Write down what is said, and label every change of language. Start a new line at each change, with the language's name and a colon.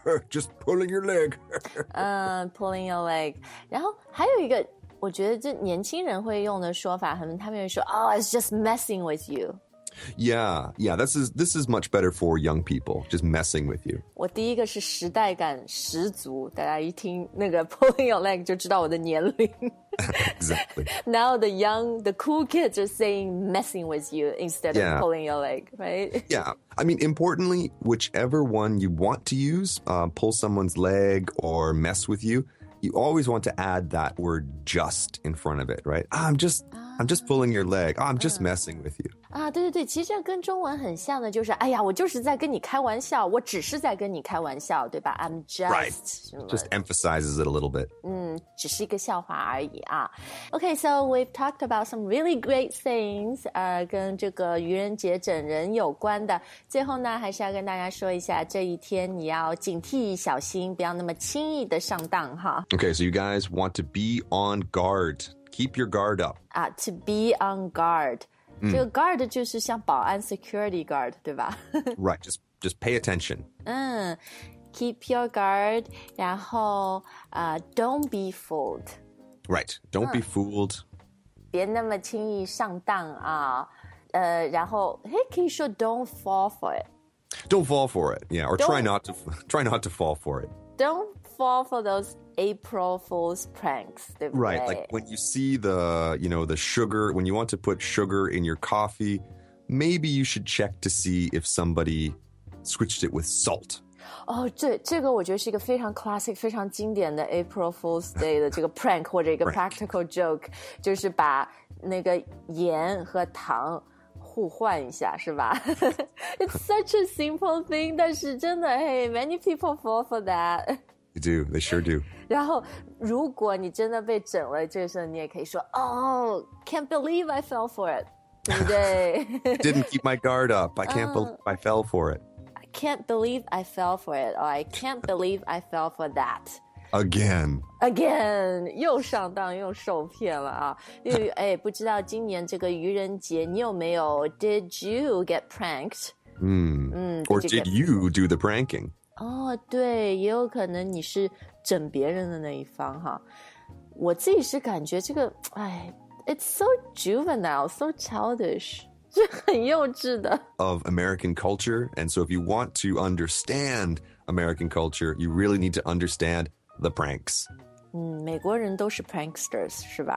English: Just pulling your leg. pulling your leg.
Chinese: 然后还有一个，我觉得这年轻人会用的说法，他们会说
English: "Oh, it's just messing with you." Yeah, yeah. This is much better for young people. Just messing with you.
Chinese: 我第一个是时代感十足，大家一听那个
English: pulling your leg
Chinese: 就知道我的年龄。
English: Exactly. Now the cool kids are saying messing with you instead of、 yeah. pulling your leg, right? Yeah. I mean, importantly, whichever one you want to use,、pull someone's leg or mess with you, you always want to add that word just in front of it, right? I'm just pulling your leg. I'm just messing with you.
Chinese: 啊，对对对，其实这跟中文很像的，就是哎呀，我就是在跟你开玩笑，我只是在跟你开玩笑，对吧 ？
English: I'm just right. Just emphasizes it a little bit.
Chinese: 只是一个笑话而已啊。
English: Okay, so we've talked about some really great things,
Chinese: 跟这个愚人节整人有关的。最后呢，还是要跟大家说一下，这一天你要警惕、小心，不要那么轻易的上当哈。
English: Okay, so you guys want to be on guard. Keep your guard up. To be on guard.
Chinese: 这个 guard 就是像保安 security guard, 对吧
English: Right, just pay attention. 嗯 keep your guard, 然后、don't be fooled. Right, don't be fooled.
Chinese: 别那么轻易上当啊、然后
English: he can show don't fall for it. Don't fall for it, yeah, or try not to fall for it. Don't fall for those. April Fool's pranks,
Chinese: 对不对?
English: Right, like when you see the, you know, the sugar, when you want to put sugar in your coffee, maybe you should check to see if somebody switched it with salt.
Chinese: Oh, 对,这个我觉得是一个非常 classic, 非常经典的 April Fool's Day 的这个 prank 或者一个 practical right. joke, 就是把那个盐和糖互换一下,是吧?
English: It's such a simple thing,
Chinese: 但是真的,
English: hey, many people fall for that. They do, they sure do.
Chinese: 然后如果你真的被整了这个时候你也可以说
English: can't believe I fell for it,
Chinese: 对不对?
English: Didn't keep my guard up, I can't believe I fell for it. I can't believe I fell for it, or I can't believe I fell for that. Again.
Chinese: Again, 又上当又受骗了啊。因为不知道今年这个愚人节你有没有
English: did you get pranked? Or did you do the pranking?
Chinese: Oh, 对，也有可能你是整别人的那一方哈。我自己是感觉这个，哎 ，
English: it's so juvenile, so childish,
Chinese: 是很幼稚的。
English: Of American culture, and so if you want to understand American culture, you really need to understand the pranks.
Chinese: 美国人都是 pranksters, 是吧？